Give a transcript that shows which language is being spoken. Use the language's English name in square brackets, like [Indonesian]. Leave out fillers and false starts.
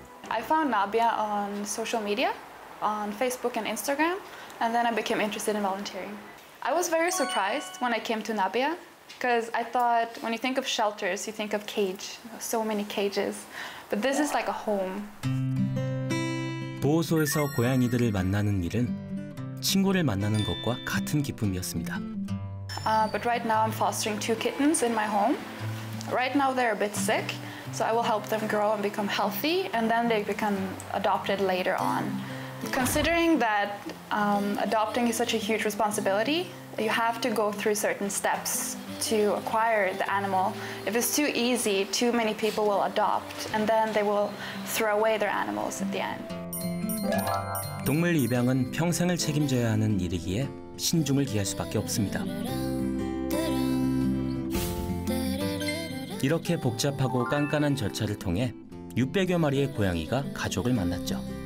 [English] I found Nabia on social media, on Facebook and Instagram, and then I became interested in volunteering. I was very surprised when I came to Nabia. Because I thought when you think of shelters, you think of cage, so many cages. But this is like a home. [Korean] 보호소에서 고양이들을 만나는 일은 친구를 만나는 것과 같은 기쁨이었습니다. [English] But right now I'm fostering two kittens in my home. Right now they're a bit sick, so I will help them grow and become healthy, and then they become adopted later on. Considering that adopting is such a huge responsibility, you have to go through certain steps. To acquire the animal. If it's too easy, too many people will adopt and then they will throw away their animals at the end. [Korean] 동물 입양은 평생을 책임져야 하는 일이기에 신중을 기할 수밖에 없습니다. 이렇게 복잡하고 깐깐한 절차를 통해 600여 마리의 고양이가 가족을 만났죠.